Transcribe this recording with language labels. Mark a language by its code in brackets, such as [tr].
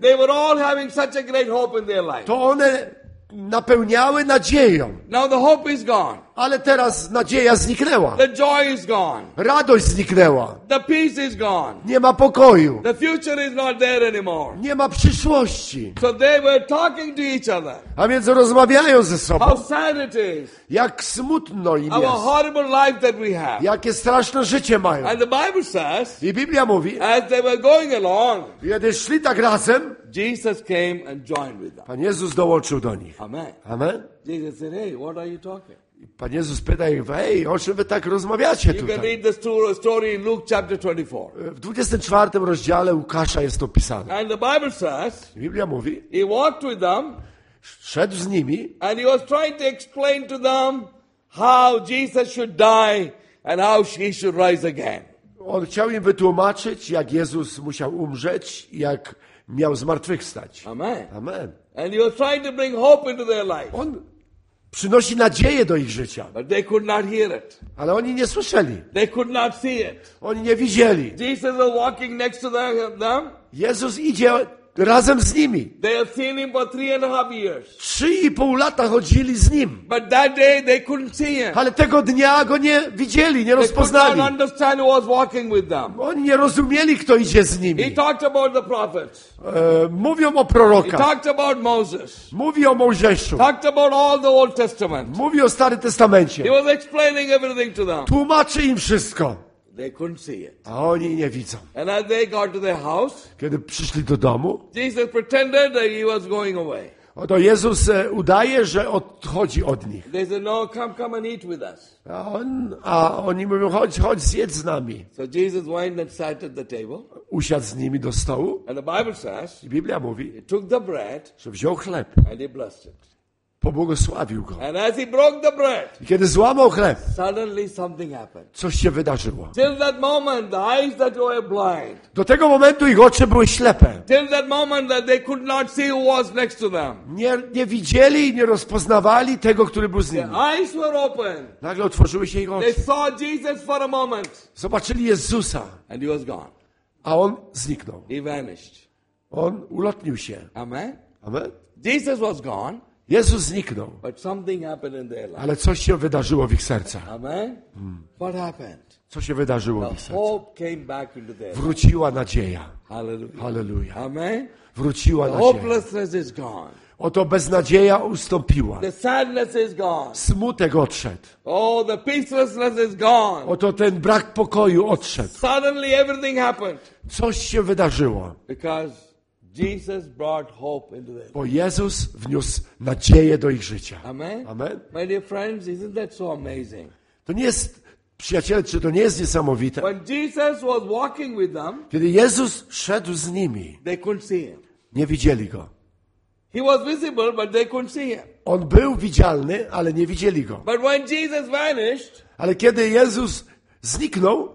[en] they were all having such a great hope in their life. [pl] To one napełniały nadzieją. [en] Now the hope is gone. [pl] Ale teraz nadzieja zniknęła. [en] The joy is gone. [pl] Radość zniknęła. [en] The peace is gone. [pl] Nie ma pokoju. [en] The future is not there anymore. [pl] Nie ma przyszłości. [en] So they were talking to each other. [pl] A więc rozmawiają ze sobą. [en] How sad it is. [pl] Jak smutno im [en] our [pl] jest. [en] Horrible life that we have. [pl] Jakie straszne życie mają. [en] And the Bible says, [pl] i Biblia mówi, [en] as they were going along, [pl] kiedy szli tak razem, [en] Jesus came and joined with them. [pl] Pan Jezus dołączył do nich. [en] Amen. [pl] Amen. [en] Jesus said, hey, what are you talking? [pl] Pan Jezus pyta ich, ej, o czym wy tak rozmawiacie tutaj? [en] You can read the story in Luke chapter 24. [pl] W 24 rozdziale Łukasza jest to opisane. [en] And the Bible says, [pl] Biblia mówi, [en] he walked with them, [pl] szedł z nimi, [en] and he was trying to explain to them how Jesus should die and how he should rise again. [pl] On chciał im wytłumaczyć, jak Jezus musiał umrzeć, jak miał zmartwychwstać. [en] Amen. [pl] Amen. [en] And he was trying to bring hope into their life. [pl] On przynosi nadzieję do ich życia. [en] But they could not hear it. [pl] Ale oni nie słyszeli. [en] They could not see it. [pl] Oni nie widzieli. [en] Jesus is walking next to them. [pl] Jezus idzie razem z nimi. [en] They have seen him for 3.5 years. [pl] 3.5 lata chodzili z nim. [en] But that day they couldn't see him. [pl] Ale tego dnia go nie widzieli, nie rozpoznali. [en] They could not understand who was walking with them. [pl] Oni nie rozumieli, kto idzie z nimi. [en] He talked about the prophets. [pl] Mówią o prorokach. [en] He talked about Moses. [pl] Mówi o Mojżeszu. [en] Talked about all the Old Testament. [pl] Mówi o Starym Testamencie. [en] He was explaining everything to them. [pl] Tłumaczy im wszystko. [en] They couldn't see it. [pl] A oni nie widzą. [en] And as they got to their house, [pl] kiedy przyszli do domu, [en] Jesus pretended that he was going away. [pl] Oto Jezus udaje, że odchodzi od nich. [en] They said, no, come and eat with us. [pl] A oni mówią, chodź zjedz z nami. [en] So Jesus went and sat at the table. [pl] Usiadł z nimi do stołu. [en] And the Bible says, [pl] i Biblia mówi, [en] he took the bread, [pl] że wziął chleb. [en] And he blessed it. [pl] Pobłogosławił go. [en] And as he broke the bread, [pl] i kiedy złamał chleb, [en] suddenly something happened. [pl] Coś się wydarzyło. [en] Till that moment, the eyes that were blind, [pl] do tego momentu ich oczy były ślepe. [en] Till that moment that they could not see who was next to them. [pl] Nie widzieli i nie rozpoznawali tego, który był z nimi. [en] The eyes were open. [pl] Nagle otworzyły się ich oczy. [en] They saw Jesus for a moment. [pl] Zobaczyli Jezusa. [en] And he was gone. [pl] A on zniknął. [en] He vanished. [pl] On ulotnił się. [en] Amen. [pl] Amen. [en] Jesus was gone. [pl] Jezus zniknął. [en] But something happened in their life. [pl] Ale coś się wydarzyło w ich sercach. [en] Amen. What happened? [pl] Co się wydarzyło [en] the [pl] w ich sercach? [en] Hope came back into their life. [pl] Wróciła nadzieja. [en] Hallelujah. [pl] Hallelujah. [en] Amen. [pl] Wróciła [en] the [pl] nadzieja. [en] Hopelessness is gone. [pl] Oto beznadzieja ustąpiła. [en] The sadness is gone. [pl] Smutek odszedł. [en] Oh, the peacelessness is gone. [pl] Oto ten brak pokoju odszedł. [en] Suddenly everything happened. [pl] Coś się wydarzyło. [en] Because Jesus brought hope into their life. [pl] Bo Jezus wniósł nadzieję do ich życia. [en] Amen. [pl] Amen. [en] My dear friends, isn't that so amazing? [pl] To nie jest, przyjaciele, czy to nie jest niesamowite? [en] When Jesus was walking with them, [pl] kiedy Jezus szedł z nimi, [en] they couldn't see him. [pl] Nie widzieli go. [en] He was visible, but they couldn't see him. [pl] On był widzialny, ale nie widzieli go. [en] But when Jesus vanished, [pl] ale kiedy Jezus zniknął,